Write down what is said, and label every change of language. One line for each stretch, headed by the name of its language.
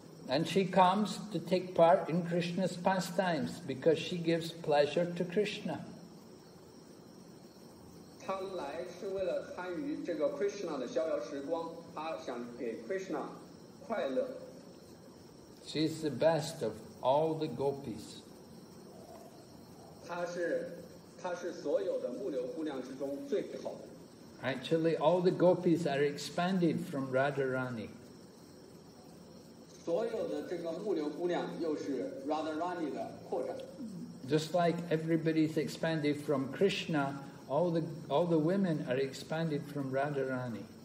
English: And she comes to take part in Krishna's pastimes because she gives pleasure to Krishna.
Chinese: 他来是为了参与这个 Krishna 的逍遥时光，他想给 Krishna 快乐。
English: She is the best of all the gopis.
Chinese: 他是所有的牧牛姑娘之中最好的。
English: Actually, all the gopis are expanded from Radharani.
Chinese: 所有的这个牧牛姑娘又是 Radharani 的扩展。
English: Just like everybody is expanded from Krishna. All the women are expanded from Radharani.